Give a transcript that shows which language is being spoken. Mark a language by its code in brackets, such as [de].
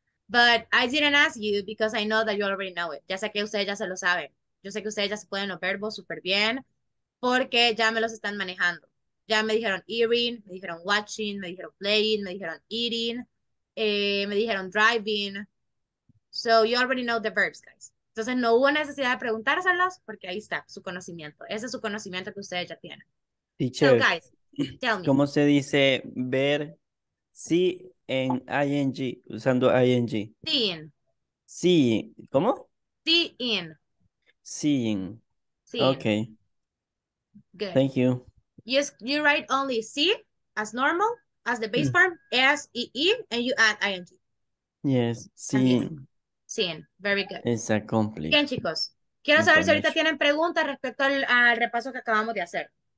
[en] But I didn't ask you because I know that you already know it. [es] Ya sé que ustedes ya se lo saben. Yo sé que ustedes ya se pueden los verbos súper bien porque ya me los están manejando. Ya me dijeron hearing, me dijeron watching, me dijeron playing, me dijeron eating, me dijeron driving. [en] So you already know the verbs, guys. [es] Entonces no hubo necesidad de preguntárselos porque ahí está su conocimiento. Ese es su conocimiento que ustedes ya tienen. [en] Teacher, so guys, tell me. [es] ¿Cómo se dice ver si en ing, usando ing? [en] Seeing. Seeing. [es] ¿Cómo? [en] Seeing. Seeing. Seeing. Okay. Good. Thank you. You write only see as normal, as the base form, S-E-E, and you add ing. Yes, seeing. Seeing, very good. It's a complete. [es] Bien, chicos. Quiero saber si ahorita tienen preguntas respecto al repaso que acabamos de hacer.